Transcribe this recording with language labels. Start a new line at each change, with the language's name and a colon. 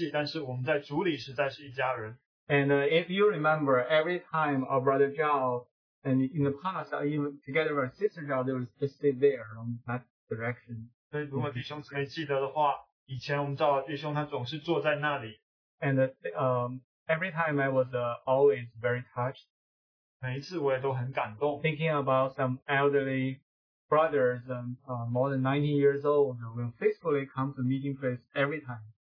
Chinese: 虽然我们好像不是在地上是这个一家人的关系，但是我们在主里实在是一家人。
English: And if you remember, every time our brother Zhao and in the past, even together with our sister Zhao, they were just there on that direction.
Chinese: 对，如果弟兄姊妹记得的话，以前我们赵老弟兄他总是坐在那里。
English: And every time I was always very touched.
Chinese: 每一次我也都很感动,
English: thinking about some elderly brothers more than 90 years old will faithfully come to meeting place every time.